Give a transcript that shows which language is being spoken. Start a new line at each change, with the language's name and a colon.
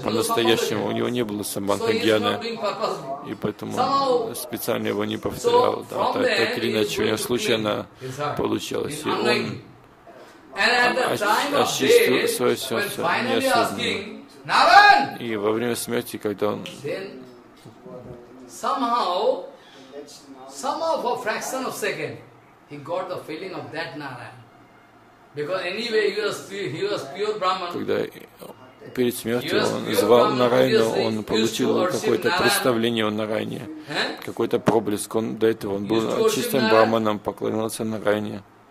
Russian: По-настоящему у него не было самбандхьяны, и поэтому специально его не повторял. Да, так или иначе, у него случайно получилось. И он очистил свое сердце неосознанно. И во время смерти, когда он
English: somehow for a fraction of second, he got the feeling of that Narayan. Because anyway he was pure Brahman.
Russian: Когда перед смертью он звал Нараяну, он получил какое-то представление о Нараяне, какой-то проблеск. Он до этого он был чистым Брахманом, поклонялся Нараяне.